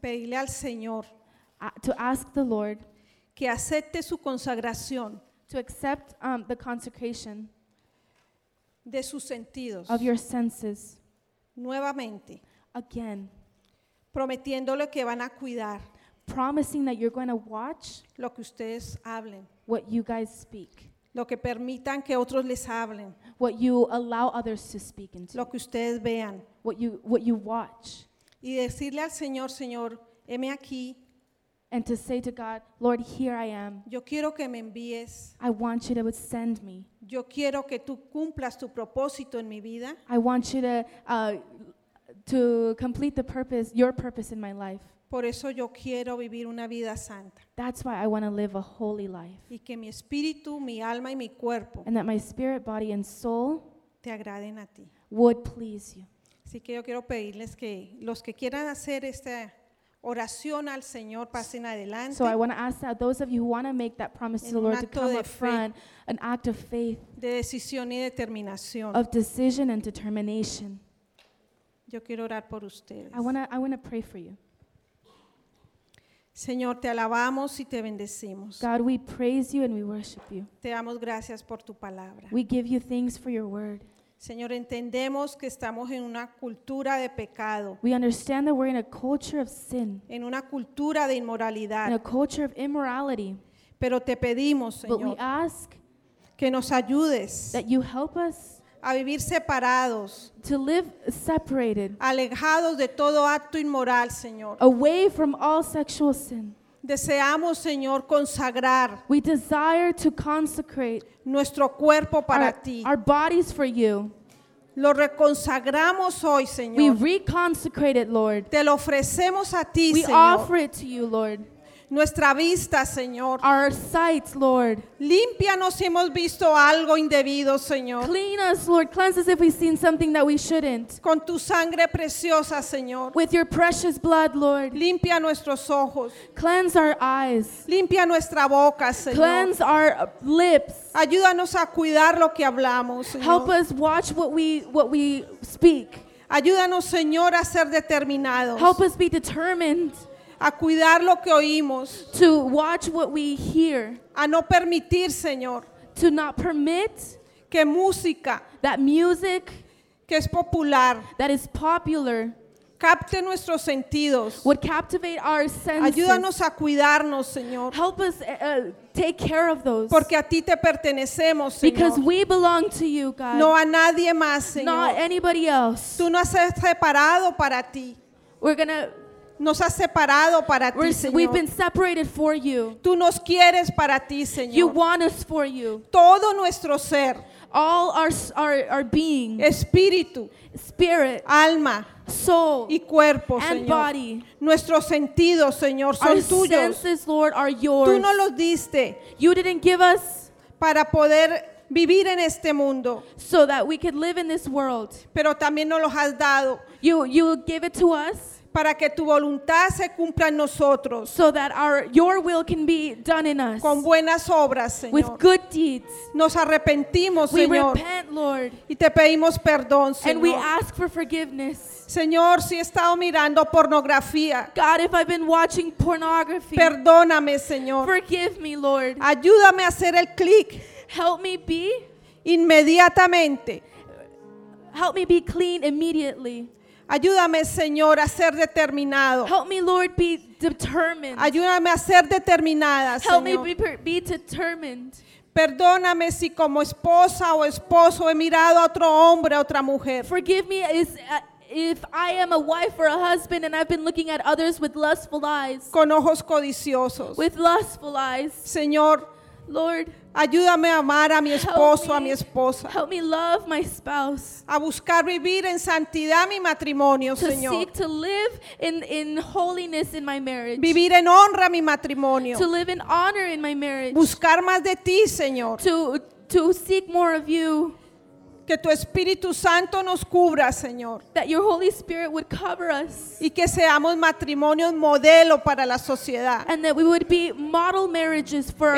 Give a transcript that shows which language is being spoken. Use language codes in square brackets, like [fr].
[es] pedirle al Señor, [en] to ask the Lord [es] que acepte su consagración, [en] to accept the consecration [es] de sus sentidos, [en] of your senses [es] nuevamente, [en] again [es] prometiéndole que van a cuidar, [en] promising that you're going to watch [es] lo que ustedes hablen, [en] what you guys speak, [es] lo que permitan que otros les hablen, [en] what you allow others to speak into, [es] lo que ustedes vean, [en] what you watch, [es] y decirle al Señor, Señor, heme aquí, [en] and to say to God, Lord, here I am, [es] yo quiero que me envíes, [en] I want you to send me, [es] yo quiero que tú cumplas tu propósito en mi vida, [en] I want you to complete the purpose, your purpose in my life. [es] Por eso yo quiero vivir una vida santa. [en] That's why I want to live a holy life. [es] Y que mi espíritu, mi alma y mi cuerpo, [en] and that my spirit, body and soul, [es] te agraden a ti, [en] would please you. [es] Así que yo quiero pedirles que los que quieran hacer esta oración al Señor pasen adelante. [en] So I want to ask that those of you who want to make that promise to the Lord to come up front, an act of faith, [es] de decisión y determinación, [en] of decision and determination. [es] Yo quiero orar por ustedes. [en] I want to pray for you. [es] Señor, te alabamos y te bendecimos. [en] God, we praise you and we worship you. [es] Te damos gracias por tu palabra. [en] We give you thanks for your word. [es] Señor, entendemos que estamos en una cultura de pecado. [en] We understand that we're in a culture of sin. [es] En una cultura de inmoralidad. [en] In a culture of immorality. [es] Pero te pedimos, Señor, [en] but we ask [es] que nos ayudes, [en] that you help us [es] a vivir separados, [en] to live separated, [es] alejados de todo acto inmoral, Señor, [en] away from all sexual sin. [es] Deseamos, Señor, consagrar, [en] we desire to consecrate [es] nuestro cuerpo para ti, [en] our bodies for you. [es] Lo reconsagramos hoy, Señor. [en] We reconsecrate it, Lord. [es] Te lo ofrecemos a ti, [en] we [es] Señor. [en] We offer it to you, Lord. [es] nuestra vista, Señor. [en] Our sight, Lord. [es] Límpianos si hemos visto algo indebido, Señor. [en] Clean us, Lord. Cleanse us if we've seen something that we shouldn't. [es] Con tu sangre preciosa, Señor. [en] With your precious blood, Lord. [es] Limpia nuestros ojos. [en] Cleanse our eyes. [es] Limpia nuestra boca, Señor. [en] Cleanse our lips. [es] Ayúdanos a cuidar lo que hablamos, Señor. [en] Help us watch what we speak. [es] Ayúdanos, Señor, a ser determinados. [en] Help us be determined. [es] A cuidar lo que oímos. [en] To watch what we hear. [es] A no permitir, Señor. [en] To not permit. [es] Que música. [en] That music. [es] Que es popular. [en] That is popular. [es] Capte nuestros sentidos. [en] Would captivate our senses. [es] Ayúdanos a cuidarnos, Señor. [en] Help us take care of those. [es] Porque a ti te pertenecemos, Señor. [en] Because we belong to you, God. [es] No a nadie más, Señor. [en] Not anybody else. [es] Tú nos has separado para ti. Nos has separado para ti, Señor. [en] We've been separated for you. [es] Tú nos quieres para ti, Señor. [en] You want us for you. [es] Todo nuestro ser. [en] All our being. [es] Espíritu. [en] Spirit. [es] Alma. [en] Soul. [es] Y cuerpo, [en] and [es] Señor. [en] Body. [es] Nuestros sentidos, Señor, son [en] our [es] tuyos. [en] Our senses, Lord, are yours. [es] Tú nos los diste. [en] You didn't give us [es] para poder vivir en este mundo. [en] So that we could live in this world. [es] Pero también nos los has dado. [en] You gave it to us. [es] Para que tu voluntad se cumpla en nosotros. [en] So that your will can be done in us. [es] Con buenas obras, Señor. [en] With good deeds. [es] Nos arrepentimos, [en] we [es] Señor. [en] We repent, Lord. [es] Y te pedimos perdón, Señor. [en] And we ask for forgiveness. [es] Señor, si he estado mirando pornografía. [en] God, if I've been watching pornography. [es] Perdóname, Señor. [en] Forgive me, Lord. [es] Ayúdame a hacer el clic. [en] Help me be. [es] Inmediatamente. [en] Help me be clean immediately. [es] Ayúdame, Señor, a ser determinado. [en] Help me, Lord, be determined. [es] Ayúdame a ser determinada, Señor. [en] Help me be determined. [es] Perdóname si como esposa o esposo he mirado a otro hombre, a otra mujer. [en] Forgive me if I am a wife or a husband and I've been looking at others with lustful eyes. [es] Con ojos codiciosos. [en] With lustful eyes. [es] Señor. [en] Lord. [es] Ayúdame a amar a mi esposo, a mi esposa. [en] Help me love my spouse. [es] A buscar vivir en santidad mi matrimonio, Señor. [en] To seek to live in holiness in my marriage. [es] Vivir en honra mi matrimonio. [en] To live in honor in my marriage. [es] Buscar más de ti, Señor. [en] To seek more of you. [es] Que tu Espíritu Santo nos cubra, Señor. [en] That your Holy Spirit would cover us. [es] Y que seamos matrimonios modelo para la sociedad. [en] And that we would be model marriages for our